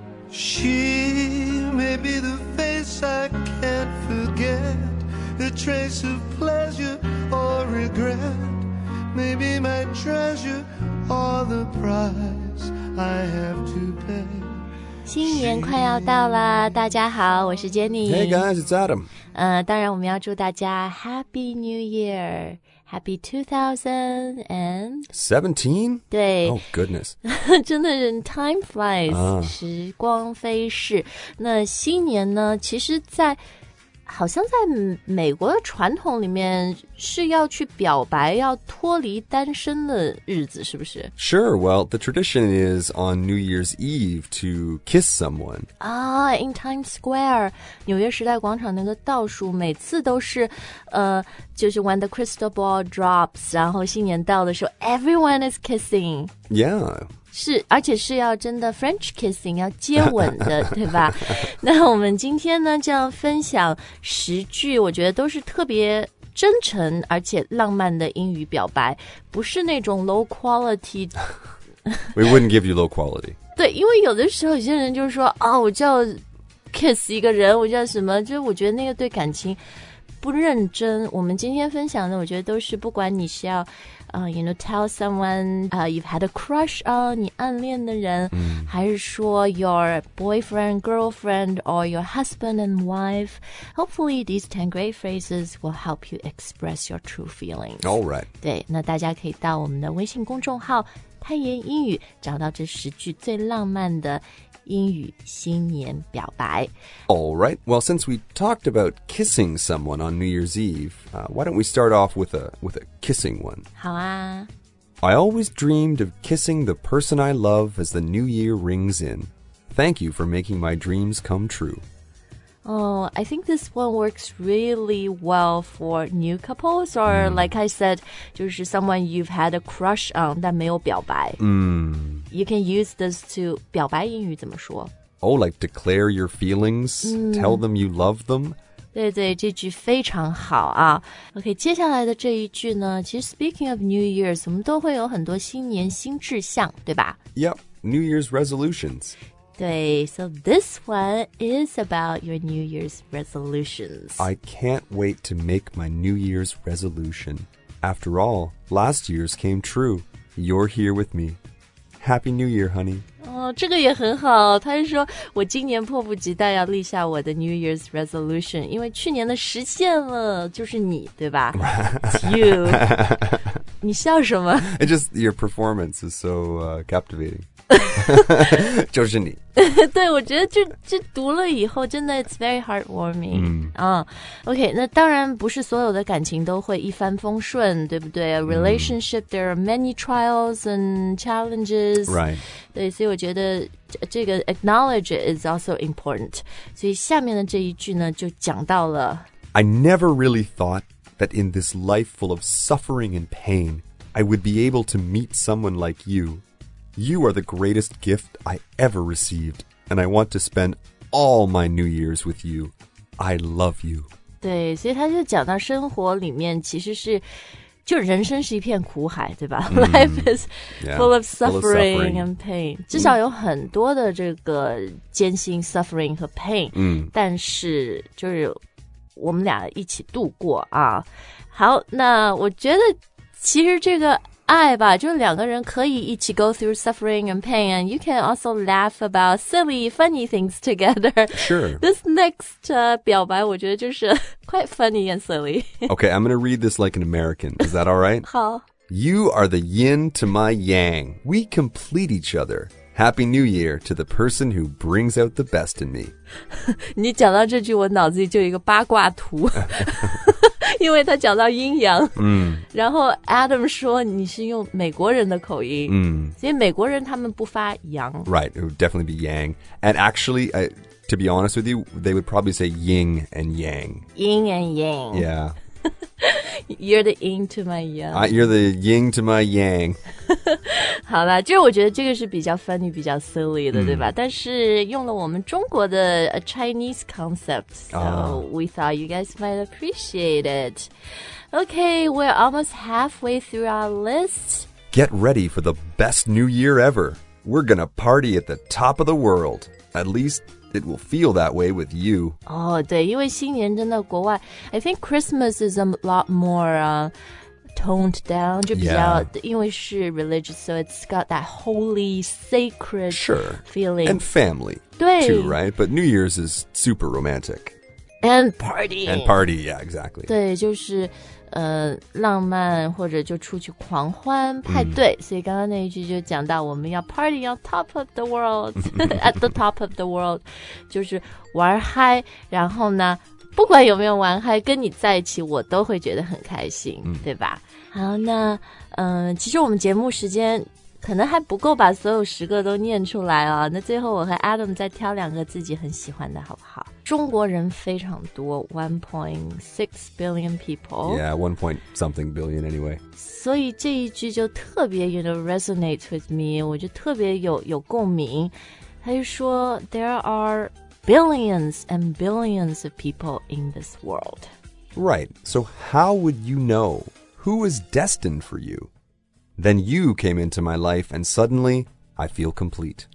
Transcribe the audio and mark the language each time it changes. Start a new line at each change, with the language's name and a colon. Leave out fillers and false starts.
English: She may be the face I can't forget, a trace of pleasure or regret, maybe my treasure or the price I have to pay.
Chinese: 新年快要到了，大家好，我是 Jenny。
English: Hey guys, it's Adam.
Chinese: 当然我们要祝大家
English: Happy New Year, Happy 2017.
Chinese: 对，
English: Oh goodness.
Chinese: 真的是
English: time flies,
Chinese: 时光飞逝。那新年呢，其实在好像在美国的传统里面是要去表白，要脱离单身的日子，是不是？
English: Sure, well, the tradition is on New Year's Eve to kiss someone.
Chinese: Ah, in Times Square, 纽约时代广场那个倒数每次都是就是
English: when the crystal ball drops,
Chinese: 然后新年到的时候
English: everyone is kissing. Yeah.
Chinese: 是，而且是要真的
English: French kissing,
Chinese: 要接吻的，对吧？那我们今天呢，就要分享十句，我觉得都是特别真诚而且浪漫的英语表白，不是那种
English: low quality. We wouldn't give you low quality.
Chinese: 对，因为有的时候有些人就是说，哦，我就要 kiss 一个人，我就要什么，就我觉得那个对感情不认真。我们今天分享的，我觉得都是不管你是要。
English: You know, tell someone you've had a crush on,
Chinese: 你暗恋的人、
English: mm.
Chinese: 还是说
English: your boyfriend, girlfriend, or your husband and wife. Hopefully, these 10 great phrases will help you express your true feelings. All right.
Chinese: 对，那大家可以到我们的微信公众号泰言英语找到这十句最浪漫的英语新年表白。
English: All right. Well, since we talked about kissing someone on New Year's Eve, why don't we start off with a kissing one?
Chinese: 好啊。
English: I always dreamed of kissing the person I love as the New Year rings in. Thank you for making my dreams come true. Oh, I think this one works really well for new couples, or like I said,
Chinese: 就是
English: someone you've had a crush on
Chinese: 但没有表白。
English: You can use this to
Chinese: 表白英语怎么说
English: Oh, like declare your feelings,tell them you love them.
Chinese: 对对，这句非常好啊。 OK, 接下来的这一句呢，其实
English: speaking of New Year's,
Chinese: 我们都会有很多新年新志向，对吧？
English: Yep, New Year's resolutions. 对， so this one is about your New Year's resolutions. I can't wait to make my New Year's resolution. After all, last year's came true. You're here with me. Happy New Year, honey.
Chinese: 这个也很好。他就说我今年迫不及待要立下我的
English: New Year's resolution,
Chinese: 因为去年的实现了就是你，对�ba?
English: It's you.
Chinese: 你笑什么？
English: It's just your performance is so captivating.
Chinese: 就是你。对，我觉得这读了以后真的
English: it's very heartwarming.
Chinese: OK, 那当然不是所有的感情都会一帆风顺，对不对？
English: Relationship,there are many trials and challenges. Right.
Chinese: 对，所以我觉得这个
English: acknowledge is also important.
Chinese: 所以下面的这一句呢就讲到了。
English: I never really thought that in this life full of suffering and pain, I would be able to meet someone like you. You are the greatest gift I ever received, and I want to spend all my New Year's with you. I love you.
Chinese: 对，所以他就讲到生活里面其实是，就人生是一片苦海，对吧？
English: Life is full of suffering and pain.
Chinese: 至少有很多的这个艰辛 suffering 和 pain. 但是就是我们俩一起度过啊。好，那我觉得其实这个爱吧，就是两个人可以一起
English: go through suffering and pain, and you can also laugh about silly, funny things together. Sure. This next
Chinese: 表白我觉得就是
English: quite funny and silly. Okay, I'm going to read this like an American. Is that all right?
Chinese: 好。
English: You are the yin to my yang. We complete each other. Happy New Year to the person who brings out the best in me.
Chinese: 你讲到这句我脑子里就有一个八卦图。因为他讲到阴阳然后 Adam 说你是用美国人的口音所以美国人他们不发阳
English: Right, it would definitely be yang. And actually, to be honest with you, they would probably say yin and yang. Yin and yang. Yeah. You're the yin to my yang. You're the yin to my yang.
Chinese: 好啦，就是我觉得这个是比较 funny, 比较 silly 的对吧？但是用了我们中国的
English: a Chinese concept, so we thought you guys might appreciate it. Okay, we're almost halfway through our list. Get ready for the best new year ever. We're gonna party at the top of the world. At least it will feel that way with you.
Chinese: Oh, 对，因为新年真的国外
English: I think Christmas is a lot more、toned down,
Chinese: 就比较、
English: yeah.
Chinese: 因为是
English: religious, so it's got that holy, sacred、 sure. feeling. And family,
Chinese: 对
English: too, right? But New Year's is super romantic. And partying. And party, yeah, exactly.
Chinese: 对，就是浪漫或者就出去狂欢派对、mm. 所以刚刚那一句就讲到我们要
English: party on top of the world
Chinese: at the top of the world 就是玩嗨然后呢不管有没有玩嗨跟你在一起我都会觉得很开心、mm. 对吧好那其实我们节目时间可能还不够把所有十个都念出来哦那最后我和 Adam 再挑两个自己很喜欢的好不好中国人非常多
English: 1.6 billion people Yeah, 1 point something billion anyway
Chinese: 所以这一句就特别
English: you know, resonates with me
Chinese: 我就特别 有共鸣他就说
English: There are billions and billions of people in this world Right, so how would you know who is destined for youThen you came into my life, and suddenly, I feel complete.